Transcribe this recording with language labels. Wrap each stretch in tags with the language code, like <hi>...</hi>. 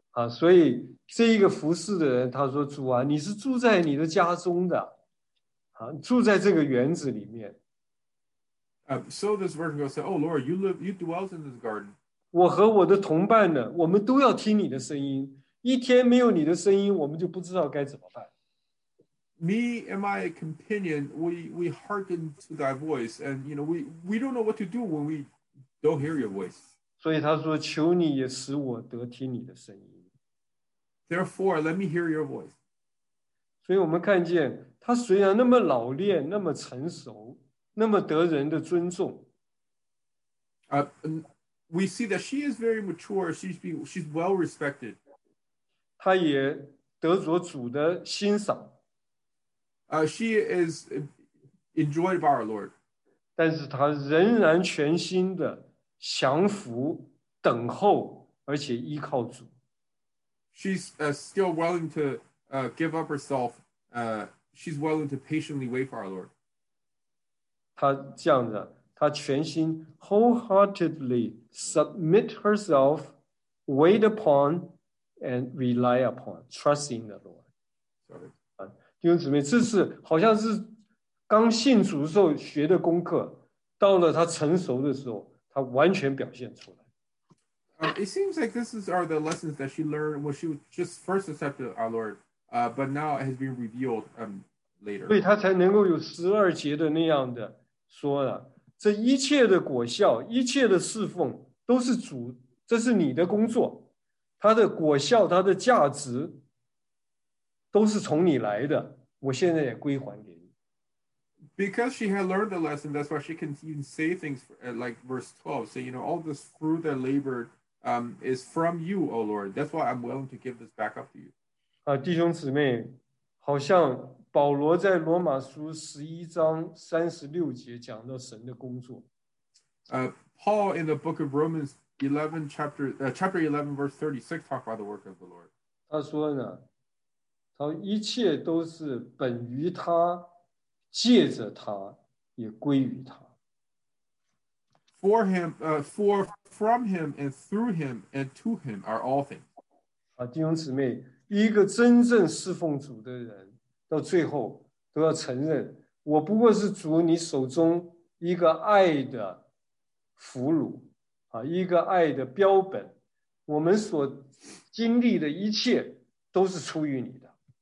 <zh>所以这一个服侍的人，他说：“主啊，你是住在你的家中的，住在这个园子里面。”</zh> <en>So this virgin girl said, "Oh Lord, you dwells in this garden."</en> <zh>我和我的同伴呢，我们都要听你的声音。一天没有你的声音，我们就不知道该怎么办。</zh> <en>Me and my companion, we hearken to thy voice, and you know we don't know what to do when we don't hear your voice.</en> <zh>所以他说，求你也使我得听你的声音。</zh> <en>Therefore, let me hear your voice.</en> <zh>所以我们看见他虽然那么老练，那么成熟，那么得人的尊重。</zh> <en>We see that she is very mature. She's well respected.</en> <zh>他也得着主的欣赏。</zh> <en>She is enjoyed by our Lord.</en> <zh>但是他仍然全心的降服、等候，而且依靠主。</zh> <en>She's still willing to give up herself. She's willing to patiently wait for our Lord.</en> <zh>他这样子，他全心</zh> <en>wholeheartedly submit herself, wait upon. And rely upon trusting the Lord. Sorry.</en> <zh>弟兄姊妹，这是好像是刚信主的时候学的功课，到了他成熟的时候，他完全表现出来。</zh> <en>It seems like these are the lessons that she learned when she just first accepted our Lord, but now it has been revealed later.</en> <zh>所以他才能够有十二节的那样的说了，这一切的果效，一切的侍奉，都是主，这是你的工作。它的果效，它的价值，都是从你来的。我现在也归还给你。</zh> <en>Because she had learned the lesson, that's why she can even say things like verse 12, say, you know, all this fruit that labored is from you, O Lord. That's why I'm willing to give this back up to you.</en> <zh>弟兄姊妹，好像保罗在罗马书十一章三十六节讲到神的工作。</zh> <en>Paul in the book of Romans. Chapter 11, verse 36, talk about the work of the Lord.</en> <zh>他说呢，他一切都是本于他，借着他，也归于他。</zh> <en>For him, from him, and through him, and to him are all things.</en> <zh>弟兄姊妹，一个真正侍奉主的人，到最后都要承认，我不过是主你手中一个爱的俘虏，啊，一个爱的标本，我们所经历的一切都是出于你的。</zh>